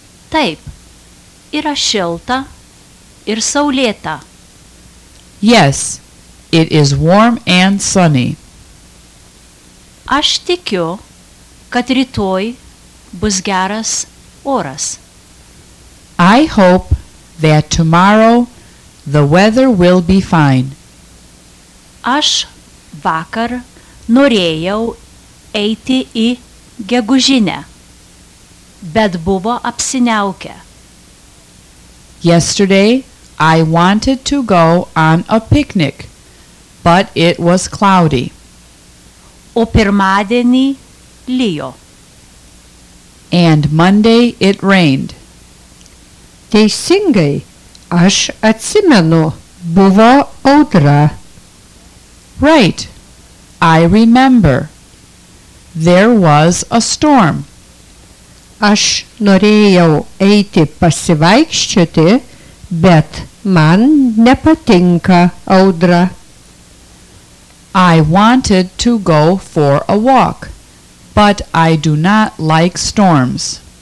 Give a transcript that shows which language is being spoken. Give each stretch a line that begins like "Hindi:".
Lithuanian: Taip. Yra šilta ir saulėta.
English: Yes, it is warm and sunny.
Lithuanian: Aš tikiu, kad rytoj bus geras oras.
English: I hope that tomorrow the weather will be fine.
Lithuanian: Aš vakar norėjau eiti į gegužinę, bet buvo apsiniaukę.
English: Yesterday I wanted to go on a picnic, but it was cloudy.
Lithuanian: O pirmadienį lijo.
English: And Monday it rained.
Lithuanian: Teisingai, aš atsimenu, buvo audra.
English: Right, I remember. There was a storm.
Lithuanian: Aš norėjau eiti pasivaikščioti, bet man nepatinka audra.
English: I wanted to go for a walk, but I do not like storms.